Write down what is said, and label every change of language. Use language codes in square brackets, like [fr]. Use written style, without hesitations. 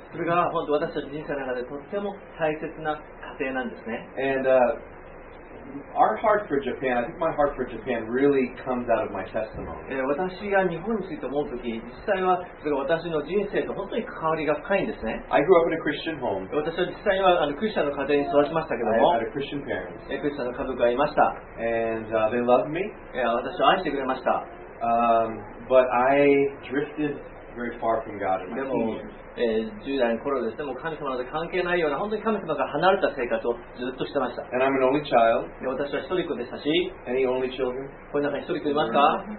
[ja] それが本当私たち人生の中でとっても大切な過程なんですね。 [en] Our heart for Japan, I think my heart for Japan really comes out of my testimony. [ja] 私が日本について思うとき、実際はそれは私の人生と本当に関わりが深いんですね。 [en] I grew up in a Christian home. [ja] 私は実際にはクリスチャンの家庭に育ちましたけども、 [en] I had a Christian parents. [ja] クリスチャンの家族がいました。 [en] And they loved me. [ja] 私を愛してくれました。 [en] But I drifted very far from God in my teen years. [ja] 10代の頃ですね、もう神様と関係ないような本当に神様から離れた生活をずっとしてました。 [en] And I'm an only child. [ja] 私は一人っ子でしたし。 [en] Any only children? [ja] この中に一人っ子いますか？